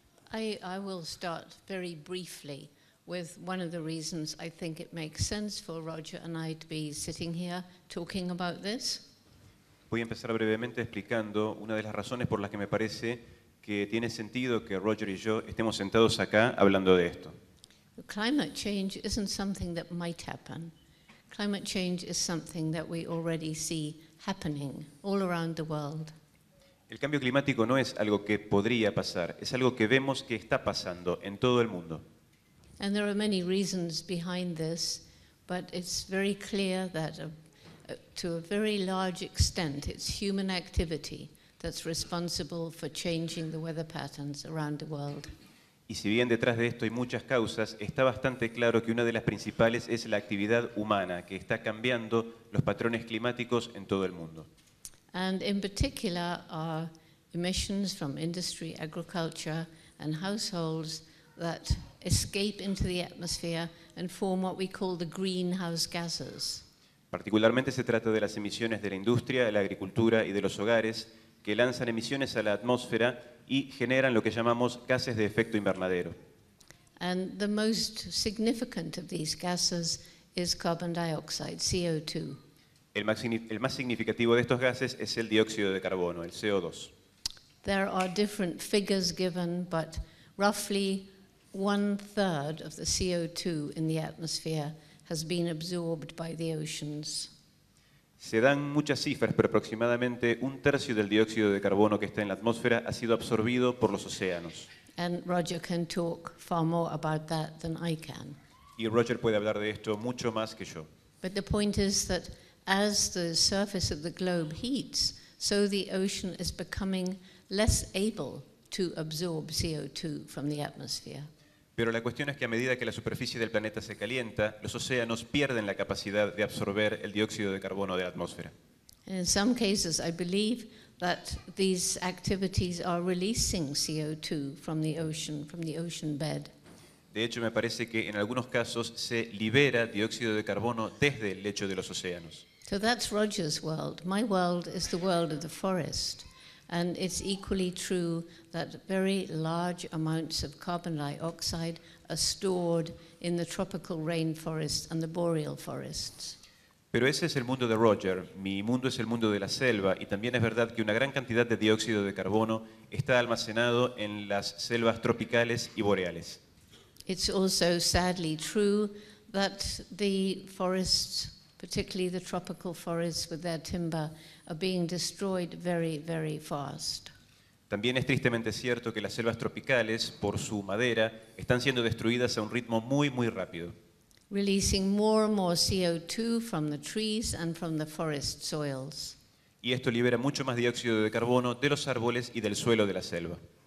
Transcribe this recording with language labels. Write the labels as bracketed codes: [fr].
[en] I will start very briefly with one of the reasons I think it makes sense for Roger and I to be sitting here talking about this. [es] Voy a empezar brevemente explicando una de las razones por las que me parece que tiene sentido que Roger y yo estemos sentados acá hablando de esto. [en] Climate change isn't something that might happen. Climate change is something that we already see happening all around the world. [es] El cambio climático no es algo que podría pasar, es algo que vemos que está pasando en todo el mundo. [en] And there are many reasons behind this, but it's very clear that to a very large extent it's human activity that's responsible for changing the weather patterns around the world. [es] Y si bien detrás de esto hay muchas causas, está bastante claro que una de las principales es la actividad humana que está cambiando los patrones climáticos en todo el mundo. [en] And in particular, our emissions from industry, agriculture, and households that escape into the atmosphere and form what we call the greenhouse gases. [es] Particularmente se trata de las emisiones de la industria, de la agricultura y de los hogares que lanzan emisiones a la atmósfera y generan lo que llamamos gases de efecto invernadero. [en] And the most significant of these gases is carbon dioxide, CO2. [es] El más significativo de estos gases es el dióxido de carbono, el CO2. [en] There are different figures given, but roughly one third of the CO2 in the atmosphere has been absorbed by the oceans. [es] Se dan muchas cifras, pero aproximadamente un tercio del dióxido de carbono que está en la atmósfera ha sido absorbido por los océanos. [en] And Roger can talk far more about that than I can. [es] Y Roger puede hablar de esto mucho más que yo. [en] But the point is that as the surface of the globe heats, so the ocean is becoming less able to absorb CO2 from the atmosphere. [es] Pero la cuestión es que a medida que la superficie del planeta se calienta, los océanos pierden la capacidad de absorber el dióxido de carbono de la atmósfera. [en] In some cases, I believe that these activities are releasing CO2 from the ocean bed. [es] De hecho, me parece que en algunos casos se libera dióxido de carbono desde el lecho de los océanos. [en] So that's Roger's world. My world is the world of the forest. And it's equally true that very large amounts of carbon dioxide are stored in the tropical rainforests and the boreal forests. [es] Pero ese es el mundo de Roger. Mi mundo es el mundo de la selva, y también es verdad que una gran cantidad de dióxido de carbono está almacenado en las selvas tropicales y boreales. [en] It's also sadly true that the forests, particularly the tropical forests with their timber, are being destroyed very, very fast. [es] También es tristemente cierto que las selvas tropicales, por su madera, están siendo destruidas a un ritmo muy, muy rápido. [en] Releasing more and more CO2 from the trees and from the forest soils. [es] Y esto libera mucho más dióxido de carbono de los árboles y del suelo de la selva.